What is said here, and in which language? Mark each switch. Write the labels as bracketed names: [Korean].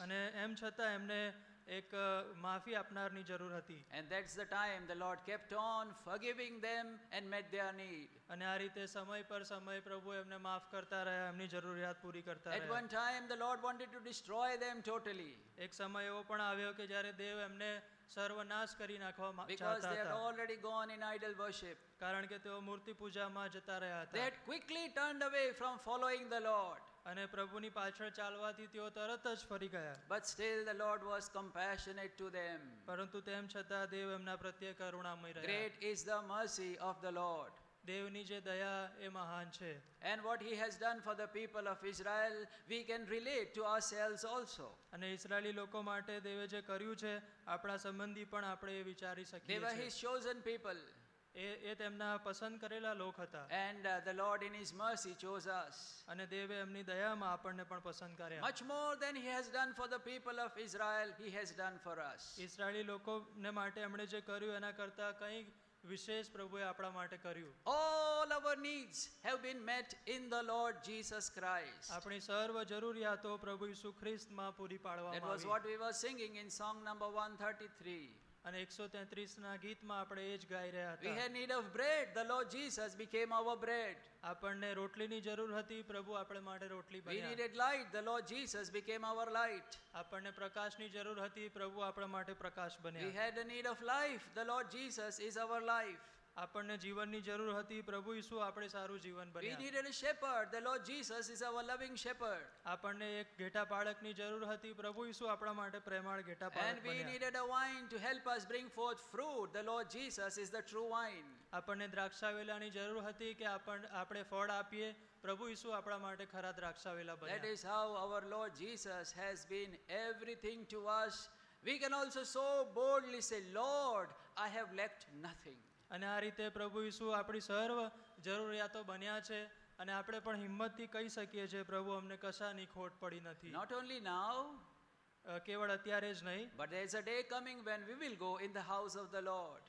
[Gujarati] અને એમ છતાં એમને એક માફી આપનારની જરૂર હતી. [English] And that's the time the Lord kept on forgiving them and met their need. [Gujarati] અને આ રીતે સમય પર સમય પ્રભુ એમને માફ કરતા રહ્યા, એમની જરૂરિયાત પૂરી કરતા રહ્યા. [English] At one time the Lord wanted to destroy them totally. [Gujarati] એક સમય એવો પણ આવ્યો કે જ્યારે દેવ એમને સર્વનાશ કરી નાખવા ચાહતા હતા. [English] Because they had already gone in idol worship. [Gujarati] કારણ કે તેઓ મૂર્તિ પૂજામાં જતા રહ્યા હતા. [English] They had quickly turned away from following the Lord. [Gujarati] અને પ્રભુની પાછળ ચાલવાથી તેઓ તરત જ ફરી ગયા. [English] But still the Lord was compassionate to them. [Gujarati] પરંતુ તેમ છતાં દેવ એમના પ્રત્યે કરુણામય રહ્યા. [English] Great is the mercy of the Lord. [Gujarati] દેવની જે દયા એ મહાન છે. [English] And what he has done for the people of Israel, we can relate to ourselves also. [Gujarati] અને ઇઝરાયલી લોકો માટે દેવે જે કર્યું છે આપણા સંબંધી પણ આપણે એ વિચારી શકીએ છીએ. [English] They were his chosen people. [Gujarati] એ તેમના પસંદ કરેલા લોક હતા. [English] And the Lord in his mercy chose us. [Gujarati] અને દેવે એમની દયામાં આપણને પણ પસંદ કર્યા. [English] Much more than he has done for the people of Israel, he has done for us. [Gujarati] Israeli લોકોને માટે એમણે જે કર્યું એના કરતા કંઈ વિશેષ પ્રભુએ આપણા માટે કર્યું. [English] All our needs have been met in the Lord Jesus Christ. [Gujarati] આપણી સર્વ જરૂરિયાતો પ્રભુ ઈસુ ખ્રિસ્તમાં પૂરી પાડવામાં આવી. [English] That was what we were singing in song number 133. [Gujarati] અને 133ના ગીતમાં આપણે એ જ ગાઈ રહ્યા હતા. [English] We had need of bread. The Lord Jesus became our bread. [Gujarati] આપણને રોટલીની જરૂર હતી. પ્રભુ આપણે માટે રોટલી બન્યા. [English] We needed light. The Lord Jesus became our light. [Gujarati] આપણને પ્રકાશની જરૂર હતી. પ્રભુ આપણા માટે પ્રકાશ બન્યા. [English] We had need of life. The Lord Jesus is our life. [Gujarati] આપણને જીવનની જરૂર હતી. પ્રભુ ઈસુ આપણે સારું જીવન બન્યા. [English] We needed a shepherd. The Lord Jesus is our loving shepherd. [Gujarati] આપણને એક ઘેટા પાળકની જરૂર હતી. પ્રભુ ઈસુ આપણા માટે પ્રેમાળ ઘેટા પાળક બન્યા. [English] And we needed a vine to help us bring forth fruit. The Lord Jesus is the true vine. [Gujarati] આપણને દ્રાક્ષાવેલાની જરૂર હતી કે આપણે ફળ આપીએ. પ્રભુ ઈસુ આપણા માટે ખરા દ્રાક્ષાવેલા બન્યા. [English] That is how our Lord Jesus has been everything to us. We can also so boldly say, Lord, I have left nothing. [Gujarati] અને આ રીતે પ્રભુ ઈસુ આપણી સર્વ જરૂરિયાતો બન્યા છે. અને આપણે પણ હિંમતથી કહી શકીએ છીએ, પ્રભુ અમને કશાની ખોટ પડી નથી. [English] not only now, [Gujarati] કેવળ અત્યારે જ નહીં, [English] But there is a day coming when we will go in the house of the Lord.